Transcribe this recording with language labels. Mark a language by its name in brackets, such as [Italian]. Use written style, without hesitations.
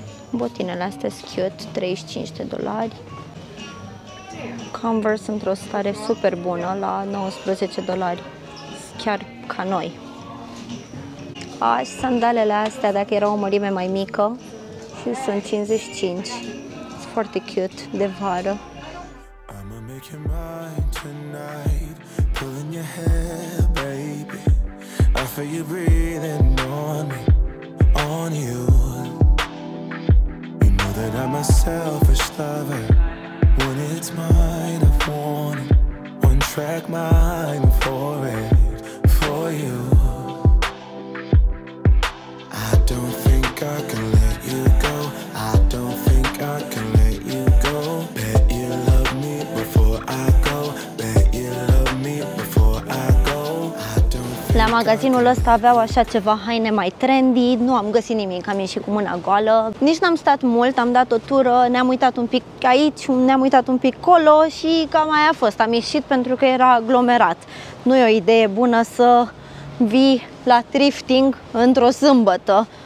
[Romanian] Botinele astea sunt cute, $35. Converse într-o stare super bună, la $19. Chiar ca noi. Și sandalele astea, dacă erau o mărime mai mică, și sunt 55. Sunt foarte cute, de vară. [English] I'ma make your mind tonight, pulling your hair, baby. I feel you breathing on me, on you. You know that I'm a selfish lover. When it's mine, I want it. One track mind for it, for you. I don't think I can let you go. I don't think I can let you go. Bet you love me before I go. Bet you love me before I go. I don't think. [Romanian] La magazinul ăsta aveau așa ceva haine mai trendy. Nu am găsit nimic, am ieșit cu mâna goală. Nici n-am stat mult, am dat o tură. Ne-am uitat un pic aici, ne-am uitat un pic colo. Și cam aia a fost. Am ieșit pentru că era aglomerat. Nu e o idee bună să vii la thrifting într-o sâmbătă.